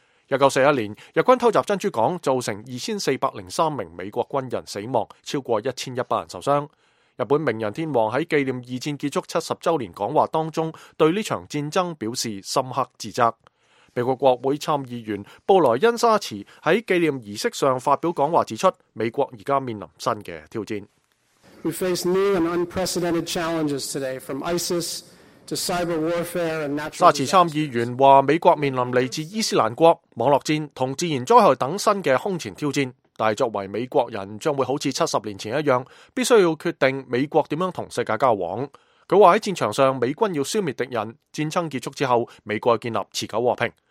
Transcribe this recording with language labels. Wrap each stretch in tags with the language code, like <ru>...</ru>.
<zh>1941年，日军偷袭珍珠港，造成2403名美国军人死亡，超过1100人受伤。日本名人天皇在纪念二战结束70周年讲话当中，对这场战争表示深刻自责。美国国会参议员布莱恩·沙茨在纪念仪式上发表讲话，指出美国现在面临新的挑战。</zh> <en>We face new and unprecedented challenges today, from ISIS to cyber warfare and natural disasters.</en> <zh>沙茨参议员说，美国面临来自伊斯兰国、网络战和自然灾害等新的空前挑战，但是作为美国人，将会好像70年前一样，必须要决定美国如何与世界交往。他说，在战场上美军要消灭敌人，战争结束之后美国建立持久和平。</zh>